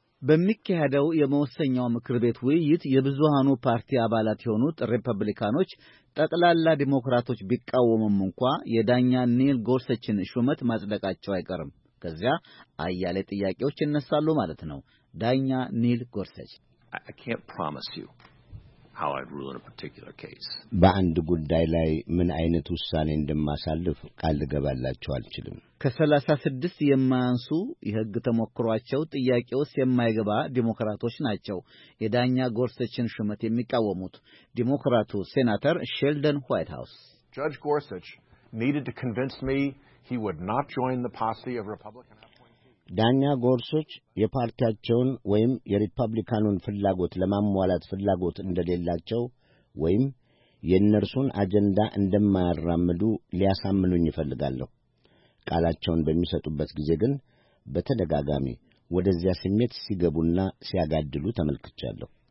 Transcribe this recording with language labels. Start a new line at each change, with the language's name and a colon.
Amharic: በሚካሄደው የመወሰኛው ምክር ቤት ውይይት የብዙሃኑ ፓርቲ አባላት የሆኑት ሪፐብሊካኖች ጠቅላላ ዲሞክራቶች ቢቃወሙም እንኳ የዳኛ ኒል ጎርሰችን ሹመት ማጽደቃቸው አይቀርም። ከዚያ አያሌ ጥያቄዎች ይነሳሉ ማለት ነው። ዳኛ ኒል ጎርሰች
English: I can't promise you how I'd rule in a particular case.
Amharic: በአንድ ጉዳይ ላይ ምን አይነት ውሳኔ እንደማሳልፍ ቃል ገባላችሁ አልችልም። ከ36 የማያንሱ የሕግ ተሞክሯቸው ጥያቄ ውስጥ የማይገባ ዲሞክራቶች ናቸው የዳኛ ጎርሰችን ሹመት የሚቃወሙት። ዲሞክራቱ ሴናተር ሼልደን ዋይት ሃውስ
English: Judge Gorsuch needed to convince me he would not join the posse of Republican
Amharic: ዳኛ ጎርሶች የፓርቲያቸውን ወይም የሪፐብሊካኑን ፍላጎት ለማሟላት ፍላጎት እንደሌላቸው ወይም የእነርሱን አጀንዳ እንደማያራምዱ ሊያሳምኑኝ ይፈልጋለሁ። ቃላቸውን በሚሰጡበት ጊዜ ግን በተደጋጋሚ ወደዚያ ስሜት ሲገቡና ሲያጋድሉ ተመልክቻለሁ።